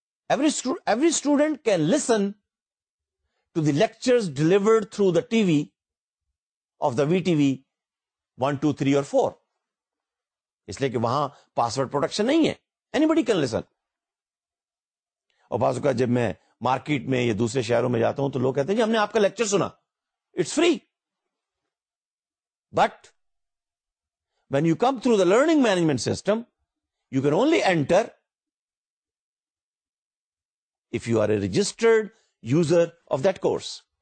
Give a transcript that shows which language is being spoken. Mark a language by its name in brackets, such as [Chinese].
[English] Every student can listen to the lectures delivered through the TV of the VTV 1, 2, 3, or 4. [Urdu] اس لیے کہ وہاں password protection نہیں ہے. [English] Anybody can listen. [Urdu] اور بعض اوقات جب میں مارکیٹ میں یا دوسرے شہروں میں جاتا ہوں تو لوگ کہتے ہیں جی ہم نے آپ کا لیکچر سنا. [English] It's free. But when you come through the learning management system, you can only enter if you are a registered user of that course.